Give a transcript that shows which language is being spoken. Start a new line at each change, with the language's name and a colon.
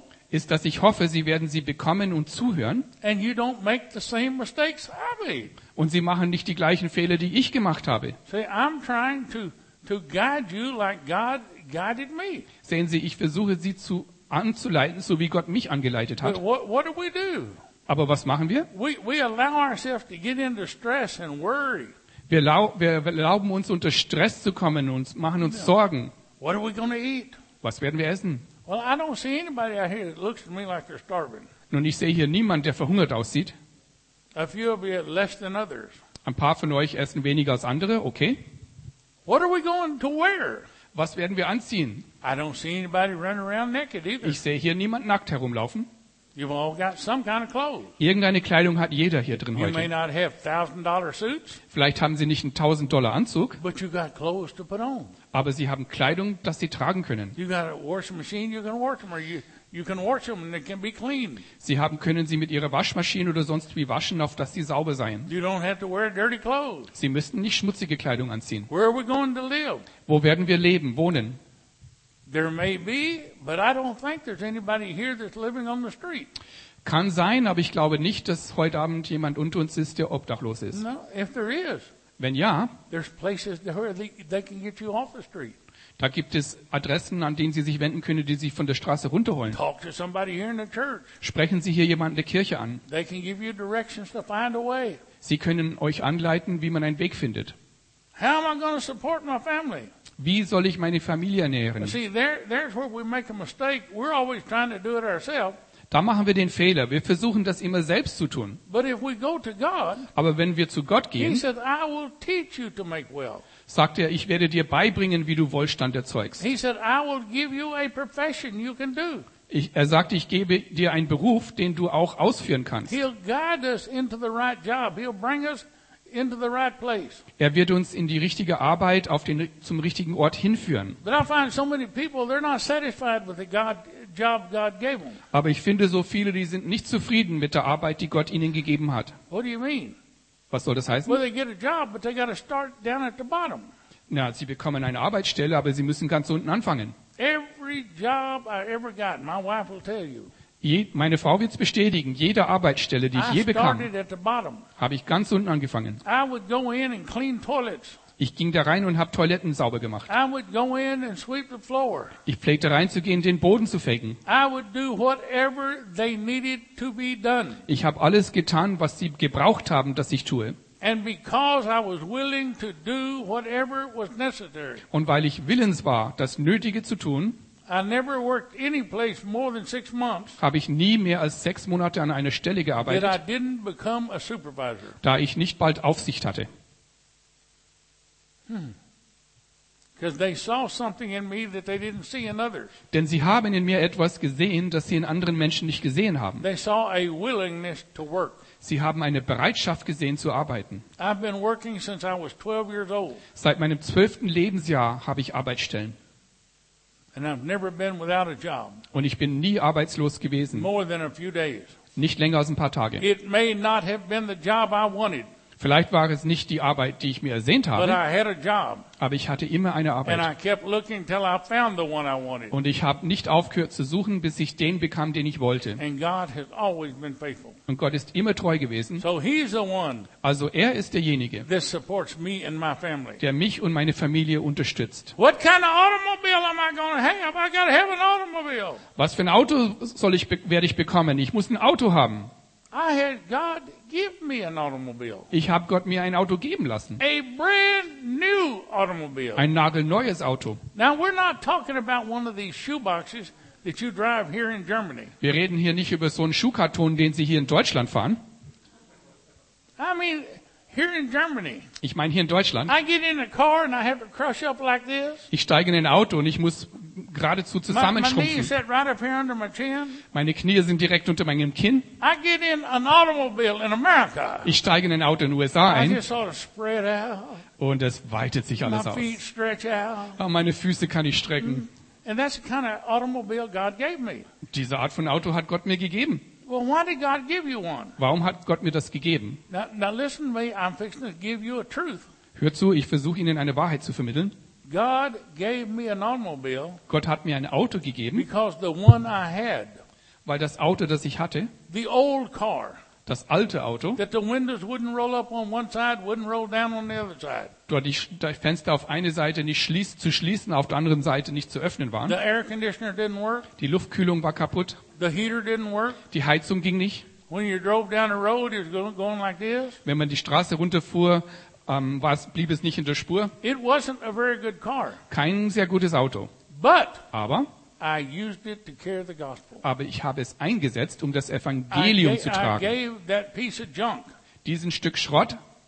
German: Ist, dass ich hoffe, Sie werden sie bekommen und zuhören.
English: And you don't make the same mistakes I made.
German: Und Sie machen nicht die gleichen Fehler, die ich gemacht habe. Sehen Sie, ich versuche, Sie zu anzuleiten, so wie Gott mich angeleitet hat.
English: What do we do?
German: Aber was machen wir?
English: We allow ourselves to get into stress and worry.
German: Wir erlauben uns, unter Stress zu kommen und machen uns Sorgen.
English: What are we gonna eat?
German: Was werden wir essen?
English: Well, I don't see anybody out here that looks to me like they're starving.
German: Nun, ich sehe hier niemanden, der verhungert aussieht.
English: A few of you less than others.
German: Ein paar von euch essen weniger als andere, okay.
English: What are we going to wear?
German: Was werden wir anziehen?
English: I don't see anybody running around naked either.
German: Ich sehe hier niemanden nackt herumlaufen.
English: You've all got some kind of clothes.
German: Irgendeine Kleidung hat jeder hier drin
English: you
German: heute.
English: May not have $1,000 suits,
German: vielleicht haben Sie nicht einen 1000 Dollar Anzug,
English: but you got clothes to put on.
German: Aber Sie haben Kleidung, das Sie tragen können.
English: You got a washing machine, you can wash them, or you can wash them and they can be clean.
German: Sie haben können sie mit ihrer Waschmaschine oder sonst wie waschen, auf dass sie sauber seien.
English: You don't have to wear dirty clothes.
German: Sie müssten nicht schmutzige Kleidung anziehen.
English: Where are we going to live?
German: Wo werden wir leben, wohnen?
English: There may be, but I don't think there's anybody here that's living on the street.
German: Kann sein, aber ich glaube nicht, dass heute Abend jemand unter uns ist, der obdachlos ist.
English: No, if there is.
German: Wenn ja,
English: there's places where they can get you off the street.
German: Da gibt es Adressen, an denen Sie sich wenden können, die Sie von der Straße runterholen.
English: Talk to somebody here in the church.
German: Sprechen Sie hier jemanden in der Kirche an.
English: They can give you directions to find a way.
German: Sie können euch anleiten, wie man einen Weg findet.
English: How am I going to support my family?
German: Wie soll ich meine Familie ernähren?
English: See, there's where we make a mistake. We're always trying to do it ourselves.
German: Da machen wir den Fehler. Wir versuchen das immer selbst zu tun.
English: But if we go to God,
German: aber wenn wir zu Gott gehen,
English: he said, I will teach you to make wealth.
German: Sagt er, ich werde dir beibringen, wie du Wohlstand erzeugst.
English: He said, I will give you a profession you can do.
German: Er sagt, ich gebe dir einen Beruf, den du auch ausführen kannst.
English: He'll guide us into the right job. He'll bring us into the right place.
German: Er wird uns in die richtige Arbeit auf den zum richtigen Ort hinführen.
English: But I find so many people, they're not satisfied with the God job God gave them.
German: Aber ich finde so viele, die sind nicht zufrieden mit der Arbeit, die Gott ihnen gegeben hat.
English: What do you mean?
German: Was soll das heißen?
English: Well, they get a job, but they got to start down at the bottom.
German: Na, sie bekommen eine Arbeitsstelle, aber sie müssen ganz unten anfangen.
English: Every job I ever got, my wife will tell you.
German: Meine Frau wird es bestätigen, jede Arbeitsstelle, die ich je bekam, habe ich ganz unten angefangen.
English: I would go in and clean toilets.
German: Ich ging da rein und habe Toiletten sauber gemacht.
English: I would go in and sweep the floor.
German: Ich pflegte reinzugehen, den Boden zu fegen.
English: I would do whatever they needed to be done.
German: Ich habe alles getan, was sie gebraucht haben, dass ich tue.
English: And because I was willing to do whatever was necessary.
German: Und weil ich willens war, das Nötige zu tun,
English: I never worked any place more than 6 months.
German: Habe ich nie mehr als 6 Monate an einer Stelle gearbeitet.
English: That I didn't become a supervisor.
German: Da ich nicht bald Aufsicht hatte.
English: Because they saw something in me that they didn't see in others.
German: Denn sie haben in mir etwas gesehen, das sie in anderen Menschen nicht gesehen haben.
English: They saw a willingness to work.
German: Sie haben eine Bereitschaft gesehen zu arbeiten.
English: I've been working since I was 12 years old.
German: Seit meinem 12. Lebensjahr habe ich Arbeitsstellen.
English: And I've never been without a job.
German: Und ich bin nie arbeitslos gewesen.
English: More than a few days.
German: Nicht länger als ein paar Tage.
English: It may not have been the job I wanted.
German: Vielleicht war es nicht die Arbeit, die ich mir ersehnt habe.
English: But I had a job.
German: Aber ich hatte immer eine Arbeit.
English: And I kept looking till I found the one I wanted.
German: Und ich habe nicht aufgehört zu suchen, bis ich den bekam, den ich wollte.
English: And God has always been faithful.
German: Und Gott ist immer treu gewesen.
English: So he's the one,
German: also er ist derjenige,
English: that supports me and my family.
German: Der mich und meine Familie unterstützt.
English: What kind of automobile am I going to have? I got to have an automobile.
German: Was für ein Auto werde ich bekommen? Ich muss ein Auto haben.
English: I had God give me an automobile.
German: Ich habe Gott mir ein Auto geben lassen.
English: A brand new automobile.
German: Ein nagelneues Auto.
English: Now we're not talking about one of these shoeboxes that you drive here in Germany.
German: Wir reden hier nicht über so einen Schuhkarton, den Sie hier in Deutschland fahren.
English: I mean, here in Germany.
German: Ich meine hier in Deutschland.
English: I get in a car and I have to crush up like this.
German: Ich steige in ein Auto und ich muss geradezu zusammenschrumpfen.
English: My knee is right up here under my chin.
German: Meine Knie sind direkt unter meinem Kinn.
English: I get in an automobile in America.
German: Ich steige in ein Auto in den USA ein.
English: I just sort of spread out.
German: Und es weitet sich alles
English: my
German: aus.
English: Feet stretch out.
German: Oh, meine Füße kann ich strecken.
English: And that's the kind of automobile God gave me.
German: Diese Art von Auto hat Gott mir gegeben.
English: Well, why did God give you one?
German: Warum hat Gott mir das gegeben?
English: Now listen to me. I'm fixing to give you a truth.
German: Hör zu, ich versuche Ihnen eine Wahrheit zu vermitteln.
English: God gave me an automobile.
German: Gott hat mir ein Auto gegeben.
English: Because the one I had.
German: Weil das Auto, das ich hatte.
English: The old car.
German: Das alte Auto.
English: That the windows wouldn't roll up on one side, wouldn't roll down on the other side.
German: Dort die Fenster auf eine Seite nicht zu schließen, auf der anderen Seite nicht zu öffnen waren.
English: The air conditioner didn't work.
German: Die Luftkühlung war kaputt.
English: The heater didn't work.
German: Die Heizung ging nicht.
English: When you drove down the road, it was going like this.
German: Wenn man die Straße runterfuhr, blieb es nicht in der Spur.
English: It wasn't a very good car.
German: Kein sehr gutes Auto.
English: But
German: aber
English: I used it to carry the gospel.
German: Aber ich habe es eingesetzt, um das Evangelium zu tragen.
English: I gave that piece of junk
German: diesen Stück Schrott